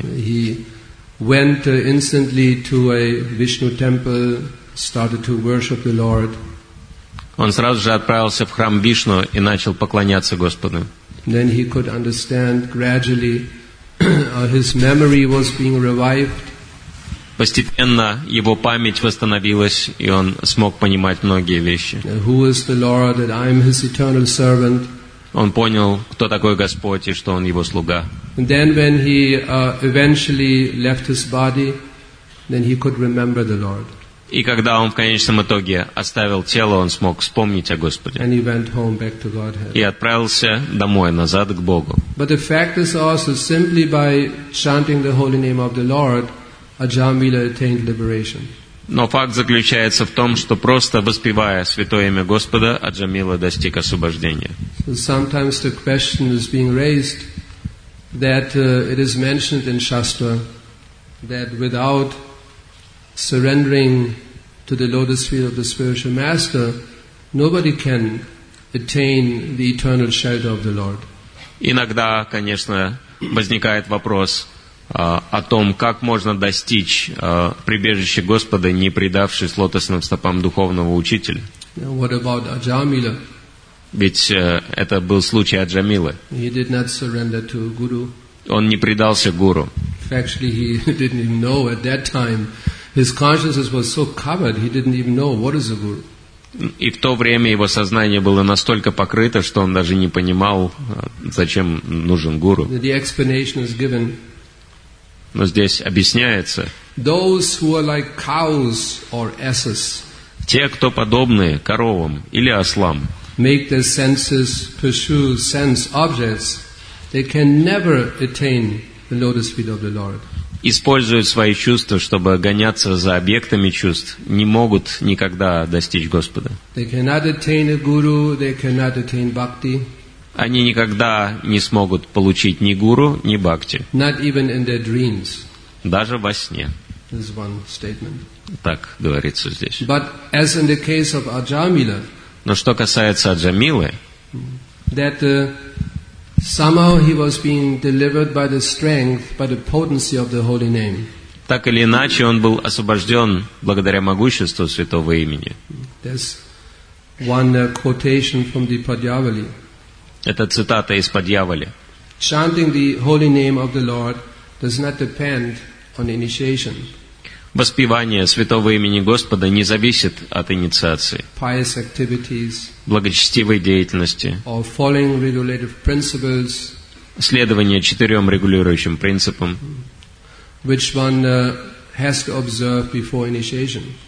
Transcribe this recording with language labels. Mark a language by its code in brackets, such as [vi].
[en] He went instantly to a Vishnu temple, started to worship the Lord. [ru] Он сразу же отправился в храм Вишну и начал поклоняться Господу. [en] Then he could understand gradually his memory was being revived. [ru] Постепенно его память восстановилась, и он смог понимать многие вещи. [en] Who is the Lord that I am his eternal servant? [ru] Он понял, кто такой Господь и что он его слуга. [en] And then when he eventually left his body, then he could remember the Lord. [ru] И когда он в конечном итоге оставил тело, он смог вспомнить о Господе. [en] And he went home back to Godhead. [ru] И отправился домой, назад к Богу. [en] But the fact is also simply by chanting the holy name of the Lord, Ajamila attained liberation. [ru] Но факт заключается в том, что просто воспевая святое имя Господа, Аджамила достиг освобождения. [en] So sometimes the question is being raised that it is mentioned in Shastra that without surrendering to the lotus feet of the spiritual master, nobody can attain the eternal shelter of the Lord. [ru] Иногда, конечно, возникает вопрос о том, как можно достичь прибежища Господа, не предавшись лотосным стопам духовного учителя. [en] Now, what about Ajamila? [ru] Ведь это был случай Аджамилы. [en] He did not surrender to Guru. [ru] Он не предался Гуру. [en] Actually, he didn't even know at that time. His consciousness was so covered, he didn't even know what is a guru. [ru] И в то время его сознание было настолько покрыто, что он даже не понимал, зачем нужен гуру. [en] The explanation is given. [ru] Но здесь объясняется. [en] Those who are like cows or asses. [ru] Те, кто подобны коровам или ослам. [en] Make their senses pursue sense objects. They can never attain the lotus feet of the Lord. [ru] Используют свои чувства, чтобы гоняться за объектами чувств, не могут никогда достичь Господа. [en] They cannot attain a guru, they cannot attain bhakti. [ru] Они никогда не смогут получить ни гуру, ни бхакти. [en] Not even in their dreams. [ru] Даже во сне. [en] This is one statement. [ru] Так говорится здесь. [en] But as in the case of Ajamila, [ru] но что касается Аджамилы, [en] that, somehow he was being delivered by the strength, by the potency of the holy name. [ru] Так или иначе, он был освобожден благодаря могуществу святого имени. [en] There's one quotation from the Padyavali. [ru] Это цитата из Падьявали. [en] Chanting the holy name of the Lord does not depend on initiation. [ru] Воспевание святого имени Господа не зависит от инициации, [en] pious activities, [ru] благочестивой деятельности, [en] or following regulative principles, [ru] следование четырем регулирующим принципам, [en] which one has to observe before initiation,